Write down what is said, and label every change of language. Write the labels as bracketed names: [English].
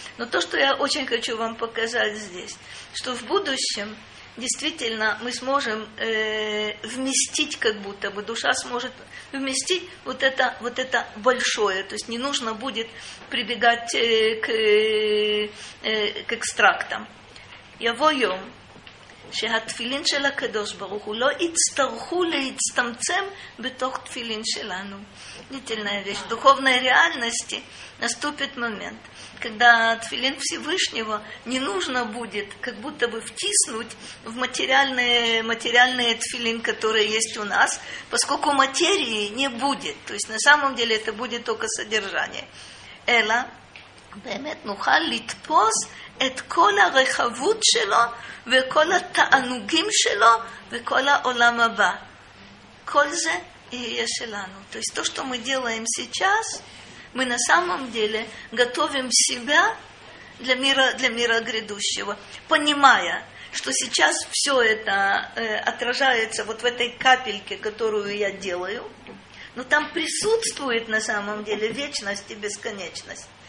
[Russian] Но то, что я очень хочу вам показать здесь, что в будущем действительно мы сможем вместить, как будто бы душа сможет вместить вот это большое. То есть не нужно будет прибегать к экстрактам. [Hebrew] Явоем. שהתפילין של הקדוש ברוך הוא לא יצטרכו להצטמצם בתוך תפילין שלנו. [Russian] Длительная вещь. В духовной реальности наступит момент, когда тфилин Всевышнего не нужно будет как будто бы втиснуть в материальные тфилин, которые есть у нас, поскольку материи не будет. То есть на самом деле это будет только содержание. [Hebrew] Эла, באמת נוכל לתפוס את כל הרחבות שלו וכל התענוגים שלו וכל העולם הבא. כל זה יהיה שלנו. [Russian] То есть то, что мы делаем сейчас, мы на самом деле готовим себя для мира грядущего, понимая, что сейчас все это отражается вот в этой капельке, которую я делаю, но там присутствует на самом деле вечность и бесконечность.